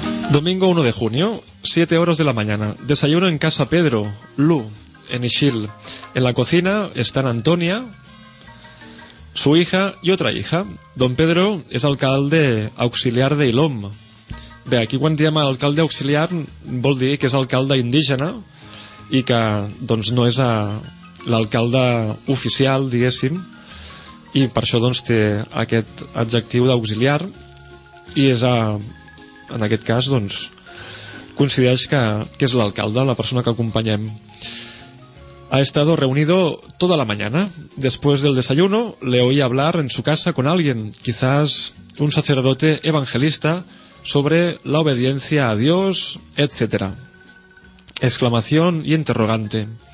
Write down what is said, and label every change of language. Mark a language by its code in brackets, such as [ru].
[es] Domingo 1 de junio, 7 horas de la mañana. Desayuno en casa Pedro, Lu, en Ixil. En la cocina están Antonia, su hija y otra hija. Don Pedro es alcalde auxiliar de Ilom. [ca] Bé, aquí quan diem alcalde auxiliar vol dir que és alcalde indígena i que doncs no és l'alcalde oficial, diguéssim, i per això doncs té aquest adjectiu d'auxiliar i és en aquest cas doncs coincideix que és l'alcalde, la persona que acompanyem. [es] Ha estado reunido toda la mañana. Después del desayuno, le oí hablar en su casa con alguien, quizás un sacerdote evangelista, sobre la obediencia a Dios, etc. Exclamación y interrogante.